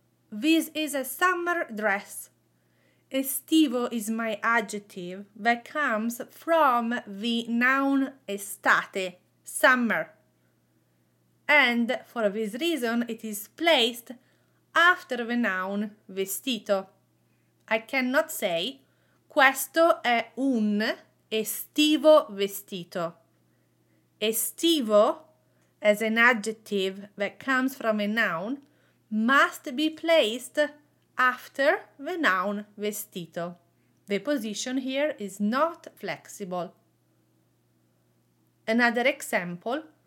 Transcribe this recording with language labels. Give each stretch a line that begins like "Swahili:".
English: This is a summer dress. Estivo is my adjective that comes from the noun estate, summer. And for this reason, it is placed after the noun vestito. I cannot say
Italian: questo è un estivo vestito.
English: Estivo, as an adjective that comes from a noun, must be placed after the noun vestito. The position here is not flexible. Another example.